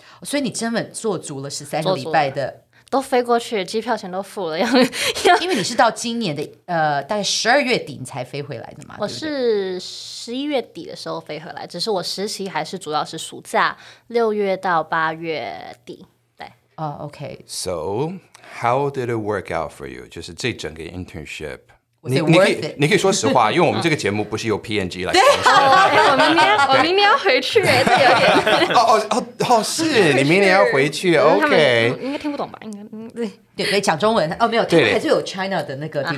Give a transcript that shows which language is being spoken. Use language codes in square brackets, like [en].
[zh] 所以你真的做足了13个礼拜的。都飞过去，机票钱都付了，因为你是到今年的大概12月底你才飞回来的嘛。我是11月底的时候飞回来，只是我实习还是主要是暑假6月到8月底。对，哦 ，OK。 [en] So how did it work out for you？ [zh] 就是这整个 internship。你可以说实话，因为我们这个节目不是由 PNG 来的。我明年要回去，这有点。是你明年要回去 ，OK？应该听不懂吧？应该对，可以讲中文哦。没有，他还是有 China 的那个 division，